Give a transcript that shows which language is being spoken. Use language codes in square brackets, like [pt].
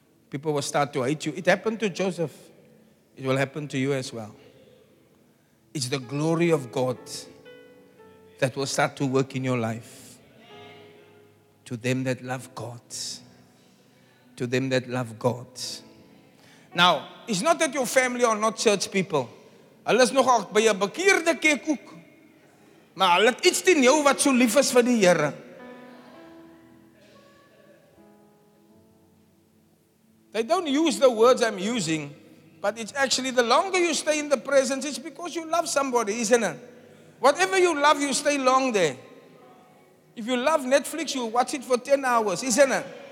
[en] People will start to hate you. It happened to Joseph. It will happen to you as well. It's the glory of God that will start to work in your life. To them that love God. To them that love God. Now, it's not that your family are not church people. [af] Hulle is nog by 'n bekeerde kekoek. Maar hulle het iets in jou wat so lief is vir die Here. [en] They don't use the words I'm using, but it's actually the longer you stay in the presence, it's because you love somebody, isn't it? Whatever you love, you stay long there. If you love Netflix, you watch it for 10 hours, isn't it?